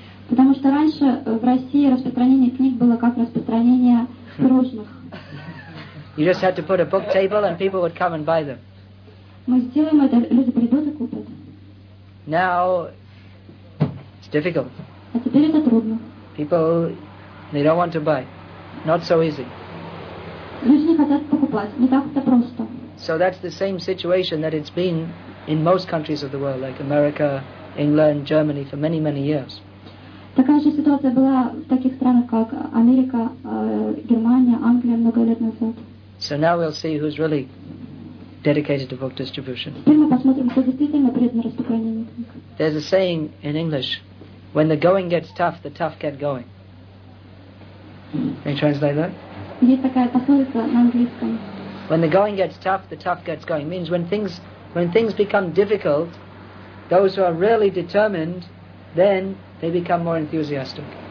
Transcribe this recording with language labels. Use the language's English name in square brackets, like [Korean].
[Russian] Потому что раньше в России распространение книг было как распространение пирожных. [English] You just had to put a book table and people would come and buy them. [Russian] Мы сделаем это, люди придут и купят. [English] Now it's difficult. [Russian] А теперь это трудно. [English] People, they don't want to buy. Not so easy. [Russian] Люди не хотят покупать, не так-то просто. [English] So that's the same situation that it's been in most countries of the world, like America, England, Germany, for many, many years. [Russian] Такая же ситуация была в таких странах, как Америка, Германия, Англия много лет назад. [English] So now we'll see who's really dedicated to book distribution. [Russian] Теперь мы посмотрим, кто действительно предан распространению книг. [English] There's a saying in English, when the going gets tough, the tough get going. Can you translate that? [Russian] Есть такая пословица на английском. [English] When the going gets tough, the tough gets going. It means when things become difficult, those who are really determined, then they become more enthusiastic.